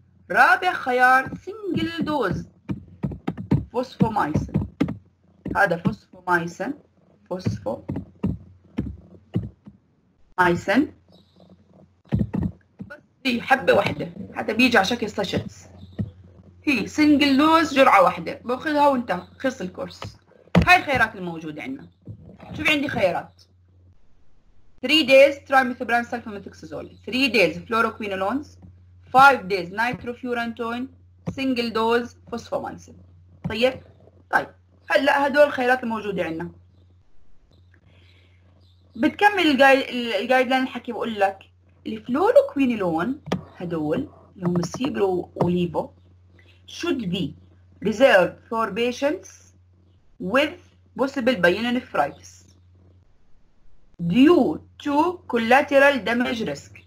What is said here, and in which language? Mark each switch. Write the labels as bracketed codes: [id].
[ar] رابع خيار سنجل دوز فوسفومايسن، هذا فوسفومايسن، فوسفومايسن بس في حبة واحدة، هذا بيجي على شكل ساشيتس، هي سنجل دوز جرعة واحدة باخذها وانت خلص الكورس. هاي الخيارات الموجودة عندنا. شوف عندي خيارات 3 days trimethoprim sulfamethoxazole، 3 days fluoroquinolones، 5 days nitrofurantoin، single dose phosphomycin. طيب طيب هلا هدول الخيارات الموجودة عندنا. بتكمل الجايد لاين الحكي بقول لك الفلوروكوينولون هدول اللي هم السيبرو وليبو [en] should be reserved for patients with possible pyelonephritis due to collateral damage risk.